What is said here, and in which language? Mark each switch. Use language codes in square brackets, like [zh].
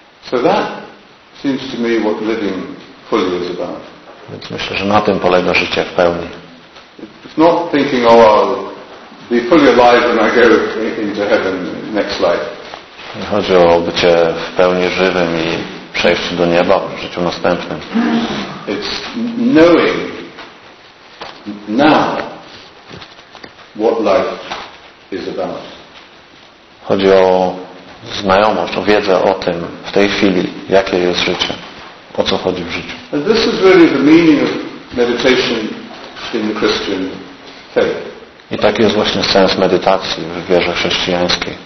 [en] So that seems to me what living fully is about. [pl] Więc myślę, że na tym polega życie w pełni. [en] It's not thinking, oh, I'll be fully alive when I go into heaven next life. [pl] Nie chodzi o bycie w pełni żywym i przejście do nieba w życiu następnym. [en] It's knowing now what life is about. [pl] Chodzi o znajomość, o wiedzę o tym w tej chwili, jakie jest życie, o co chodzi w życiu. [en] And this is really the meaning of meditation in the Christian faith. [pl] I taki jest właśnie sens medytacji w wierze chrześcijańskiej.